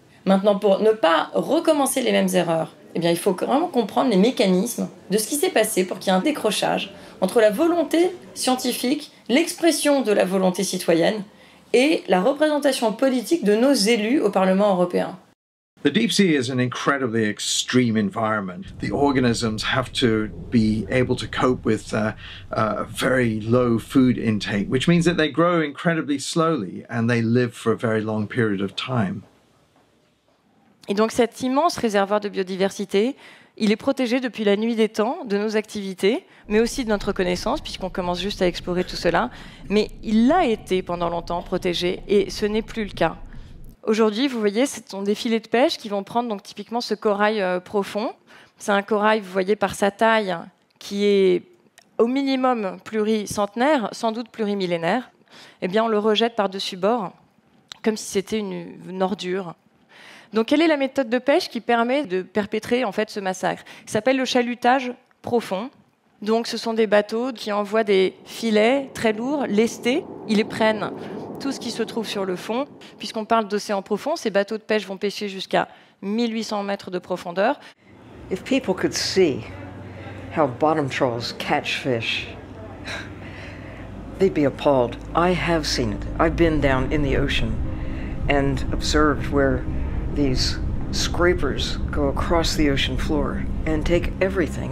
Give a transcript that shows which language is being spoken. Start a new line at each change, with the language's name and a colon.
French: Maintenant, pour ne pas recommencer les mêmes erreurs, eh bien, il faut vraiment comprendre les mécanismes de ce qui s'est passé pour qu'il y ait un décrochage entre la volonté scientifique, l'expression de la volonté citoyenne et la représentation politique de nos élus au Parlement européen.
English: The deep sea is an incredibly extreme environment. The organisms have to be able to cope with a very low food intake, which means that they grow incredibly slowly and they live for a very long period of time.
French: Et donc cet immense réservoir de biodiversité, il est protégé depuis la nuit des temps de nos activités, mais aussi de notre connaissance, puisqu'on commence juste à explorer tout cela. Mais il l'a été pendant longtemps protégé, et ce n'est plus le cas. Aujourd'hui, vous voyez, ce sont des filets de pêche qui vont prendre donc typiquement ce corail profond. C'est un corail, vous voyez, par sa taille, qui est au minimum pluricentenaire, sans doute plurimillénaire. Eh bien, on le rejette par-dessus bord, comme si c'était une ordure. Donc, quelle est la méthode de pêche qui permet de perpétrer en fait ce massacre ? Il s'appelle le chalutage profond. Donc, ce sont des bateaux qui envoient des filets très lourds, lestés. Ils les prennent tout ce qui se trouve sur le fond. Puisqu'on parle d'océan profond, ces bateaux de pêche vont pêcher jusqu'à 1800 mètres de profondeur.
English: If people could see how bottom trawlers catch fish, they'd be appalled. I have seen it. I've been down in the ocean and observed where these scrapers go across the ocean floor and take everything.